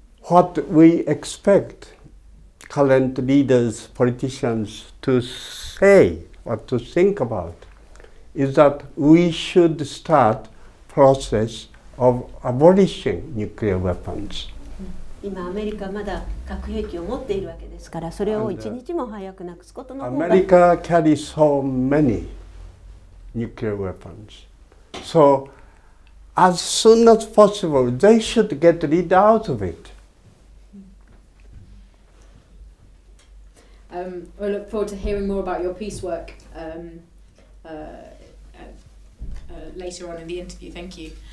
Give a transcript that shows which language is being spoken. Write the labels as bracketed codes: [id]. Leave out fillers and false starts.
[en] What we expect current leaders, politicians to say or to think about is that we should start process of abolishing nuclear weapons. [ja] 今アメリカまだ核兵器を持っているわけですから、 それを1日も早くなくすことの方が… [en] America carries so many nuclear weapons. So, as soon as possible, they should get rid out of it. I look forward to hearing more about your peace work later on in the interview. Thank you.